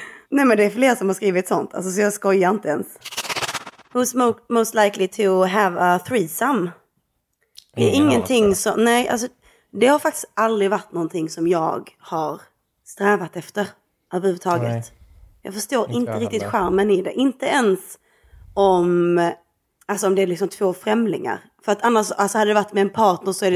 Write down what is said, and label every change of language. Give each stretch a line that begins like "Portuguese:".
Swedish: Nej men det är fler som har skrivit sånt. Alltså så jag skojar inte ens.
English: Who's most likely to have a threesome?
Swedish: Det är ingenting som... Nej, alltså det har faktiskt aldrig varit någonting som jag har strävat efter. Överhuvudtaget. Nej. Jag förstår inte riktigt charmen i det. Inte ens om, alltså om det är liksom två främlingar. För att annars alltså hade det varit med en partner så är det